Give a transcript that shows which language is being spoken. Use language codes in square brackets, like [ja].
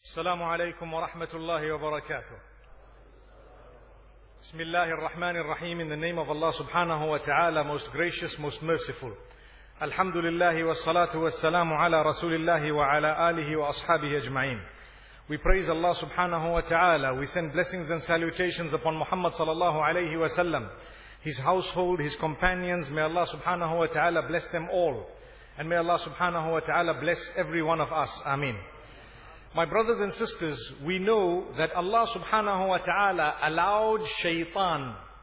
[ar] السلام عليكم ورحمة الله وبركاته. بسم الله الرحمن الرحيم. [en] In the name of Allah [ar] سبحانه وتعالى, [en] most gracious, most merciful. [ar] الحمد لله والصلاة والسلام على رسول الله وعلى آله وأصحابه أجمعين. [en] We praise Allah [ar] سبحانه وتعالى. [en] We send blessings and salutations upon Muhammad [ar] صلى الله عليه وسلم, [en] his household, his companions. May Allah [ar] سبحانه وتعالى [en] bless them all, and may Allah سبحانه وتعالى bless every one of us. Amin. My brothers and sisters, we know that Allah subhanahu wa ta'ala allowed shaitan.